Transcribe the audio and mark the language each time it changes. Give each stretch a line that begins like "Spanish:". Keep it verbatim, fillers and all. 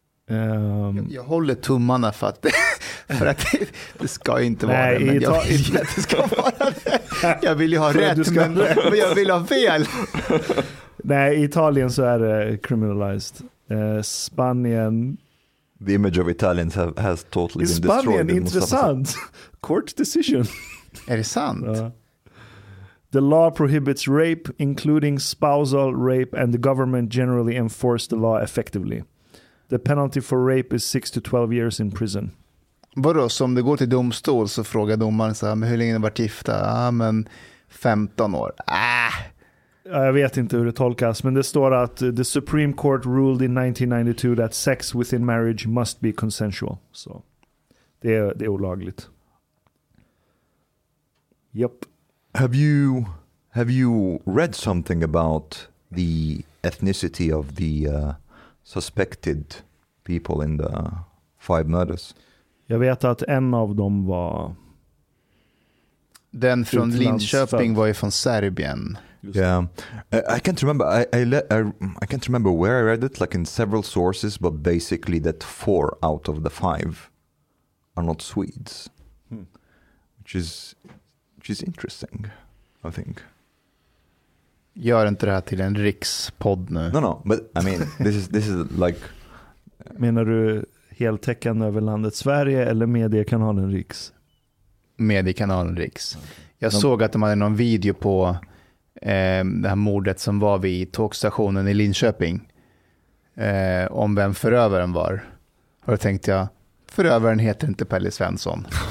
Swedish: Um, jag, jag håller tummarna för att, för att det ska inte vara nej, det. Men jag vill att det ska vara det. Jag vill ju ha rätt, ska... men, men jag vill ha fel. Nej, i Italien så är det criminalized. Eh, Spanien...
English: The image of Italians have, has totally been
Swedish: Spanien
English: destroyed.
Swedish: Spanien, intressant.
English: Court decision.
Swedish: Är det sant? Ja.
English: The law prohibits rape, including spousal rape, and the government generally enforces the law effectively. The penalty for rape is six to twelve years in prison.
Swedish: Vadå, så om det går till domstol så frågar domaren så här, men hur länge har ni varit gifta? Ja, men femton år. Ah. Jag vet inte hur det tolkas, men det står att
English: the Supreme Court ruled in nineteen ninety-two that sex within marriage must be consensual.
Swedish: Så det är, det är olagligt.
English: Yep. Have you have you read something about the ethnicity of the uh, suspected people in the five murders?
Swedish: Jag vet att en av dem var... Den från Linköping var ju från Serbien.
English: Yeah, I, I can't remember. I I, le, I I can't remember where I read it. Like in several sources, but basically that four out of the five are not Swedes, hmm. which is which is interesting, I think.
Swedish: Gör inte det här till en rikspodd nu.
English: No, no. But I mean, this is this is like.
Swedish: Menar du heltäckande över landet Sverige eller mediekanalen Riks? Mediekanalen Riks. Jag no. såg att de hade någon video på eh, det här mordet som var vid tågstationen i Linköping. Eh, om vem förövaren var. Och då tänkte jag, förövaren heter inte Pelle Svensson.